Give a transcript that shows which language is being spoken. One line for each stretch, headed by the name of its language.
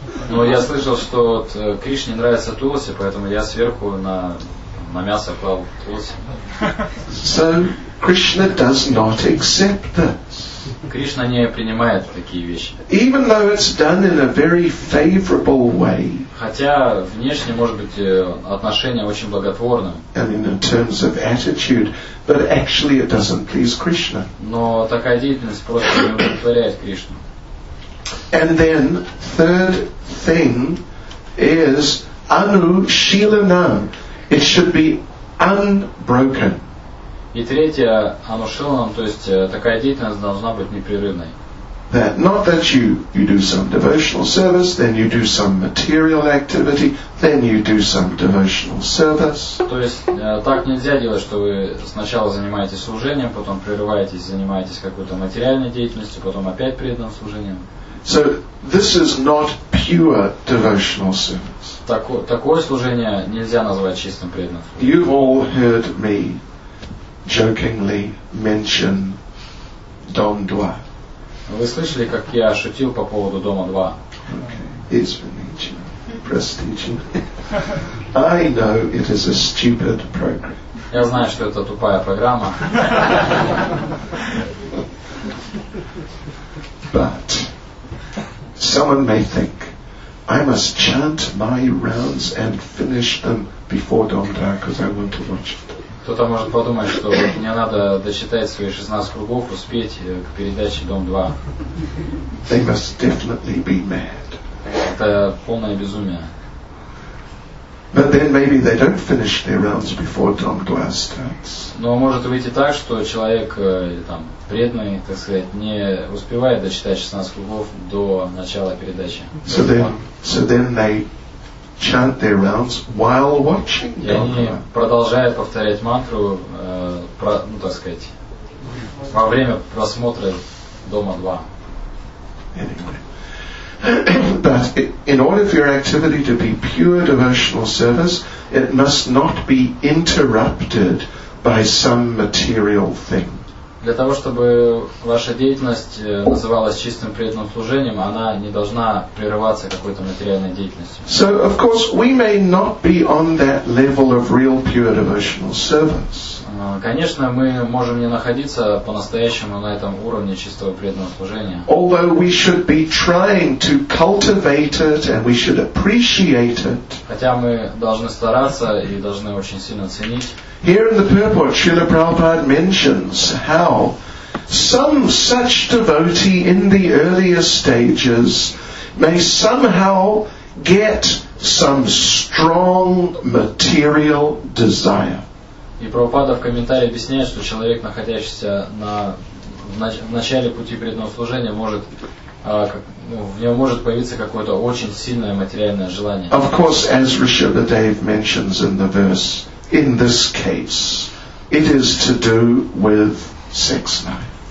Russian: Но я слышал, что вот Кришне нравится Тулси, поэтому я сверху на мясо клал Тулси.
English: So Krishna does not accept this.
Russian: Кришна не принимает такие вещи.
English: Even though it's done in a very favorable way.
Russian: Хотя внешне, может быть, отношение очень благотворное.
English: I mean, in terms of attitude, but actually it doesn't please Krishna.
Russian: Но такая деятельность просто не удовлетворяет Кришну.
English: And then third thing is anushilanam. It should be unbroken.
Russian: И третье, анушилнам, то есть такая деятельность должна быть непрерывной.
English: That, not that you do some devotional service, then you do some material activity, then you do some devotional service.
Russian: То есть так нельзя делать, что вы сначала занимаетесь служением, потом прерываетесь, занимаетесь какой-то материальной деятельностью, потом опять преданным служением.
English: So this is not pure devotional service.
Russian: Такое служение нельзя назвать чистым преданным служением.
English: You've all heard me jokingly mention Dom 2.
Russian: Вы слышали, как я шутил по поводу Дома 2?
English: Okay. It's been teaching. Prestiging. I know it is a stupid program.
Russian: Я знаю, что это тупая программа.
English: But someone may think, I must chant my rounds and finish them before Dom 2 because I want to watch it.
Russian: Кто-то может подумать, что мне надо досчитать свои 16 кругов, успеть к передаче «Дом 2».
English: They must definitely be mad.
Russian: Это полное безумие.
English: But then maybe they don't finish their rounds before Tom Glass starts.
Russian: Но может выйти так, что человек там преданный, так сказать, не успевает дочитать 16 кругов до начала передачи.
English: So then they chant their rounds while watching.
Russian: И они продолжают повторять мантру, так сказать, во время просмотра Дома 2.
English: But in order for your activity to be pure devotional service, it must not be interrupted by some material thing.
Russian: Для того, чтобы ваша деятельность называлась чистым преданным служением, она не должна прерываться какой-то материальной деятельностью.
English: So, of course, we may not be on that level of real pure devotional service.
Russian: Конечно, мы можем не находиться по-настоящему на этом уровне чистого преданного служения.
English: Although we should be trying to cultivate it and we should appreciate it.
Russian: Хотя мы должны стараться и должны очень сильно ценить.
English: Here in the purport, Srila Prabhupada mentions how some such devotee in the earlier stages may somehow get some strong material desire.
Russian: И Прабхупада в комментарии объясняет, что человек, находящийся в начале пути преданного служения, в нем может появиться какое-то очень сильное материальное желание.
English: Of course, as Rishabhadev mentions in the verse, in this case, it is to do with sex life.